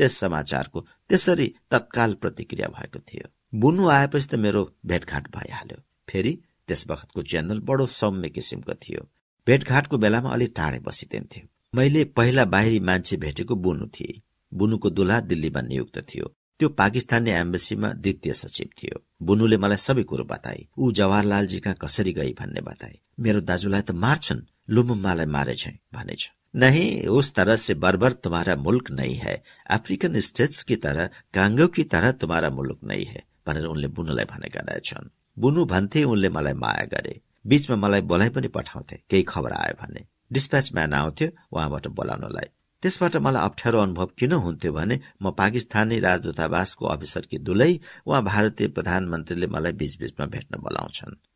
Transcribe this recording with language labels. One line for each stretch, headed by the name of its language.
Nepali: त्यस समाचारको त्यसरी तत्काल प्रतिक्रिया भएको थियो। बुनु आएपछि त मेरो भेटघाट भइहाल्यो, फेरि त्यस वखतको जनरल बडो सौम्य किसिमको थियो, भेटघाटको बेलामा अलि टाढै बसिदिन्थ्यो। मैले पहिला बाहिरी मान्छे भेटेको बुनु थिए, बुनुको दुल्हा दिल्लीमा नियुक्त थियो, त्यो पाकिस्तानी एम्बेसीमा द्वितीय सचिव थियो। बुनुले मलाई सबै कुरो बताए। ऊ जवाहरलालजी कहाँ कसरी गई भन्ने बताए। मेरो दाजुलाई त मार्छन्, लुम्बम्मालाई मारेछ भनेछ।
Hindi: नहीं, उस तरह से बर्बर तुम्हारा मुल्क नहीं है, अफ्रिकन स्टेट्स की तरह कांगो की तरह तुम्हारा मुल्क नहीं है
Nepali: भनेर उनले बुनुलाई भनेका रहेछन्। बुनु भन्थे उनले मलाई माया गरे, बीचमा मलाई बोलाइ पनि पठाउँथे केही खबर आयो भने। डिस्प्याच म्यान आउँथ्यो उहाँबाट बोलाउनलाई। त्यसबाट मलाई अप्ठ्यारो अनुभव किन हुन्थ्यो भने म पाकिस्तानी राजदूतावासको अफिसर कि दुलै उहाँ भारतीय प्रधानमन्त्रीले मलाई बीचबीचमा भेट्न बोलाउँछन्।